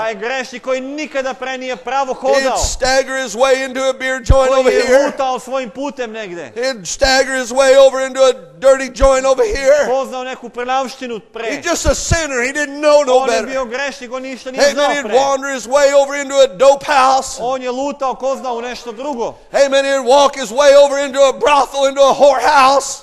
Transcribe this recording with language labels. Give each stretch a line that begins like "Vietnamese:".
Serbian: Taj grešnik koji nikada pre nije pravo hodao.
English: He'd stagger his way into a beer joint over here.
Serbian: Koji je lutao svojim putem negde.
English: He'd stagger his way over into a dirty joint over here.
Serbian: Poznao neku prljavštinu pre.
English: He's just a sinner. He didn't know no better.
Serbian: On je bio grešnik, on ništa nije znao pre.
English: He'd wander his way over into a dope house.
Serbian: On je lutao ko zna u nešto drugo.
English: Hey man, he'd walk his way over into a brothel, into a whorehouse.